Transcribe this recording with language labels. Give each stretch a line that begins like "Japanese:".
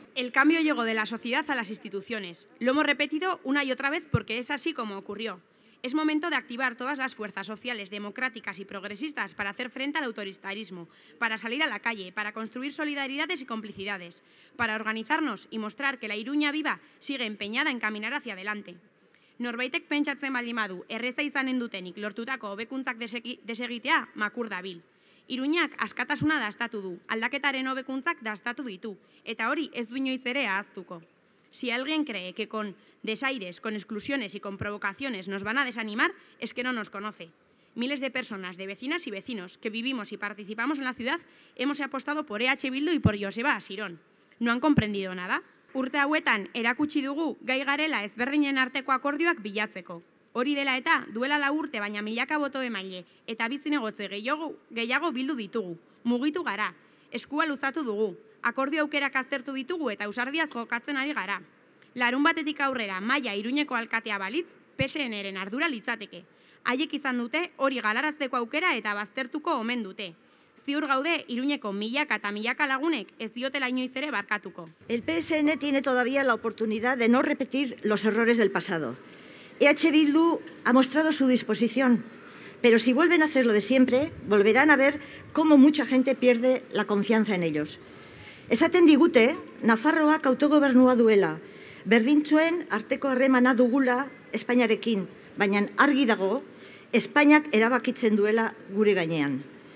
Spanish: El cambio llegó de la sociedad a las instituciones. Lo hemos repetido una y otra vez porque es así como ocurrió. Es momento de activar todas las fuerzas sociales, democráticas y progresistas para hacer frente al autoritarismo, para salir a la calle, para construir solidaridades y complicidades, para organizarnos y mostrar que la Iruña viva sigue empeñada en caminar hacia adelante.
Basque: Norbaitek pentsatzen baldin badu, erreza izanen dutenik lortutako hobekuntzak desegitea makur dabil. Iruñak askatasuna dastatu du, aldaketaren hobekuntzak dastatu ditu, eta hori ez du inoiz ere ahaztuko.
Spanish: Si alguien cree que con desaires, con exclusiones y con provocaciones nos van a desanimar, es que no nos conoce. Miles de personas, de vecinas y vecinos, que vivimos y participamos en la ciudad, hemos apostado por EH Bildu y por Joseba Asiron. ¿No han comprendido nada?
Basque: Urte hauetan, erakutsi dugu, gai garela ezberdinen arteko akordioak bilatzeko. Hori dela eta, duela 4 urte baina milaka boto emaile, eta bizinegotze gehiago bildu ditugu. Mugitu gara, eskua luzatu dugu. Akordio aukerak aztertu ditugu eta ausardiaz jokatzen ari gara. Larun batetik aurrera Maia Iruñeko alkatea balitz, PSNren ardura litzateke. Haiek izan dute hori galarazteko aukera eta baztertuko omen dute. ziur gaude Iruñeko milaka eta milaka lagunek ez diotela inoiz ere barkatuko.
Spanish: El PSN tiene todavía la oportunidad de no repetir los errores del pasado. EH Bildu ha mostrado su disposición, pero si vuelven a hacer lo de siempre, volverán a ver cómo mucha gente pierde la confianza en ellos.
Basque: Esaten digute, Nafarroak autogobernua duela, berdintzuen arteko harremana dugula Espainiarekin, baina argi dago, Espainiak erabakitzen duela gure gainean.